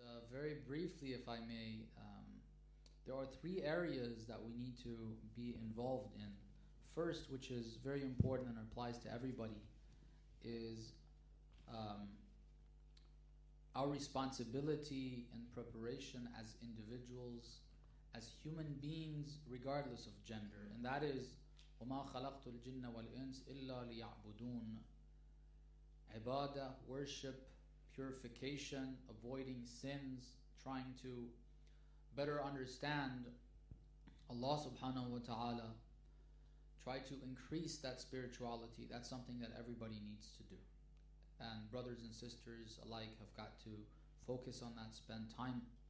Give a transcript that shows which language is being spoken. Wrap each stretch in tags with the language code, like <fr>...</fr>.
<en>Very briefly, if I may, there are three areas that we need to be involved in. First, which is very important and applies to everybody, is our responsibility and preparation as individuals, as human beings, regardless of gender. And that is,</en> <ar>وَمَا خَلَقْتُ الْجِنَّ وَالْإِنسِ إِلَّا لِيَعْبُدُونَ.</ar> <en>Ibadah, worship, purification, avoiding sins, trying to better understand Allah subhanahu wa ta'ala, try to increase that spirituality. That's something that everybody needs to do. And brothers and sisters alike have got to focus on that, spend time</en>